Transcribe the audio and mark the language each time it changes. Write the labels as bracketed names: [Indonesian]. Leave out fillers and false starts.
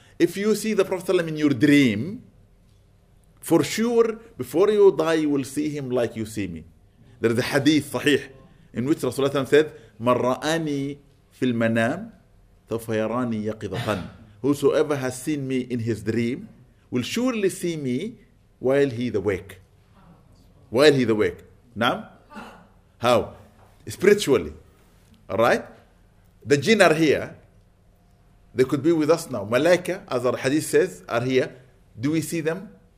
[English] If you see the Prophet ﷺ in your dream, for sure before you die you will see him like you see me. There is a hadith صحيح in which Rasulullah ﷺ said, [Arabic] من رأني في المنام سوف يراني يقظة. [English] Whosoever has seen me in his dream will surely see me while he is awake. While he is awake. نعم. How? Spiritually. All right. The jinn are here. They could be with us now. Malaika, as our hadith says, are here. Do we see them?